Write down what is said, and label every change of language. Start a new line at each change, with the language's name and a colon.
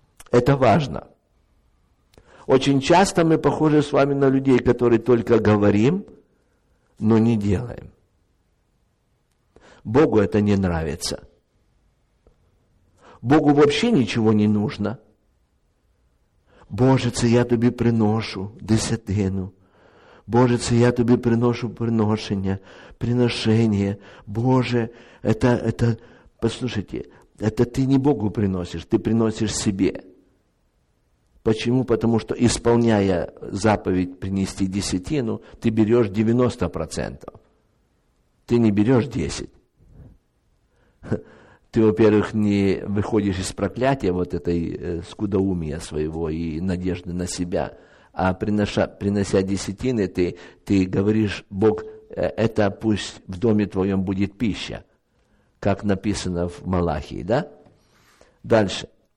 Russian: Это важно. Очень часто мы похожи с вами на людей, которые только говорим, но не делаем. Богу это не нравится. Богу вообще ничего не нужно.
Ukrainian: Боже, це я тобі приношу десятину. Боже, це я тобі приношу приношення, приношение.
Russian: Боже, это, послушайте, это ты не Богу приносишь, ты приносишь себе. Почему? Потому что, исполняя заповедь принести десятину, ты берешь 90%. Ты не берешь 10%. Ты, во-первых, не выходишь из проклятия вот этой скудоумия своего и надежды на себя, а принося десятины, ты говоришь, Бог, это пусть в доме твоем будет пища, как написано в Малахии, да? Дальше.